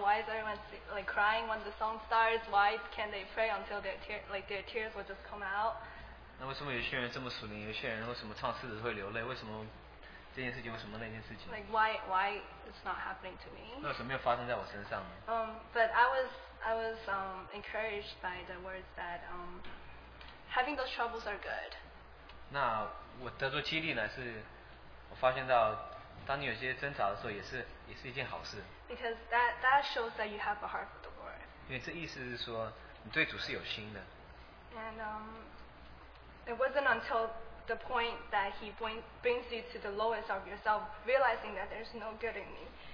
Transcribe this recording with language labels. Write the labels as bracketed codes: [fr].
[en] Why is everyone like crying when the song starts? Why can't they pray until their tears will just come out? [zh] 那为什么有些人这么属灵，有些人为什么唱诗的时候会流泪？为什么这件事情，为什么那件事情 [en] ？Like why is not happening to me？ [zh] 那为什么没有发生在我身上呢？ [en] But I was encouraged by the words that having those troubles are good. [zh] 那我得到激励呢，是我发现到当你有些挣扎的时候，也是一件好事。 [en] Because that shows that you have a heart for the Lord. [zh] 因为这意思是说你对主是有心的。 [en] And it wasn't until the point that he brings you to the lowest of yourself, realizing that there's no good in me.